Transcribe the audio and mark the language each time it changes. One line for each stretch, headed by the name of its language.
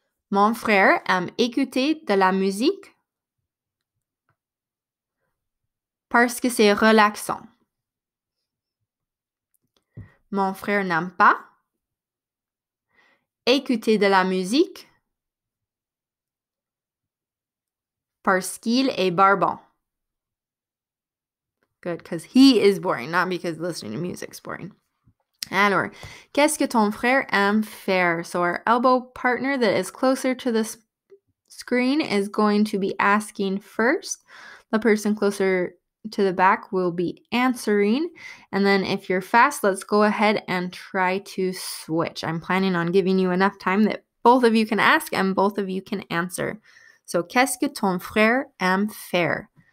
French: Mon frère aime écouter de la musique parce que c'est relaxant. Mon frère n'aime pas écouter de la musique parce qu'il est barbant.
English: Good, because he is boring, not because listening to music is boring.
French: Alors, qu'est-ce que ton frère aime faire?
English: So our elbow partner that is closer to the screen is going to be asking first. The person closer to the back will be answering. And then if you're fast, let's go ahead and try to switch. I'm planning on giving you enough time that both of you can ask and both of you can answer.
French: So, qu'est-ce que ton frère aime faire?